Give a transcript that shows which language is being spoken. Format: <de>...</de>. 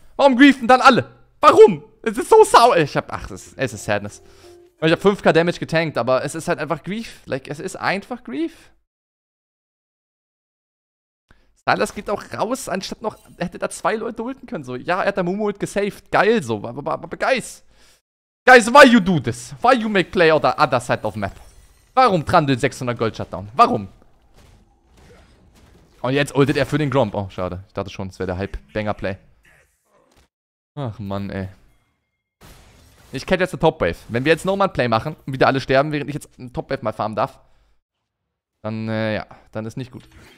<de>Warum griefen dann alle? Warum? Es ist so sau. Es ist Sadness. Ich hab 5k Damage getankt, aber es ist halt einfach Grief. Like, es ist einfach Grief. Stylus geht auch raus, anstatt noch. Er hätte da 2 Leute ulten können. So, ja, er hat da Mumu ult gesaved. Geil, so. Aber guys.</de> <en>Guys, why you do this? Why you make play on the other side of map?</en> <de>Warum Trundle 600 Gold Shutdown? Warum? Und jetzt ultet er für den Gromp. Oh, schade. Ich dachte schon, es wäre der Hype-Banger-Play. Ach, Mann, ey. Ich kenne jetzt eine Top-Wave. Wenn wir jetzt nochmal ein Play machen und wieder alle sterben, während ich jetzt eine Top-Wave mal farmen darf, dann, ja, dann ist nicht gut.</de>